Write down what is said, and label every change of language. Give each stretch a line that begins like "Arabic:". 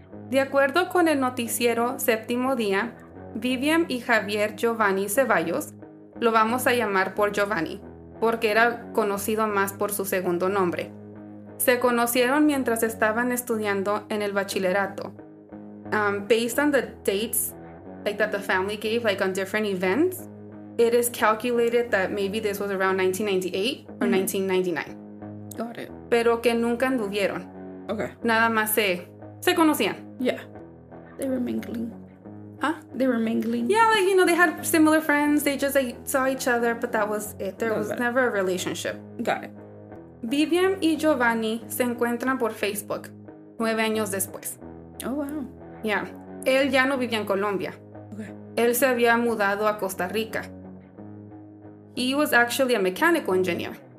Spanish: De acuerdo con el noticiero Séptimo Día, Viviam y Javier Giovanni Ceballos, lo vamos a llamar por Giovanni, porque era conocido más por su segundo nombre. Se conocieron mientras estaban estudiando en el bachillerato.
English: Based on the dates like that the family gave, like on different events, it is calculated that maybe this was around 1998 or 1999. Got it.
Spanish: Pero que nunca anduvieron.
English: Okay.
Spanish: Nada más se conocían.
English: Yeah. They were mingling. Huh? They were mingling. Yeah, like, you know, they had similar friends. They just, like, saw each other, but that was it. There was never a relationship. Got it.
Spanish: Viviam y Giovanni se encuentran por Facebook 9 años después.
English: Oh, wow.
Spanish: Yeah. Él ya no vivía en Colombia.
English: Okay.
Spanish: Él se había mudado a Costa Rica.
English: He was actually a mechanical engineer.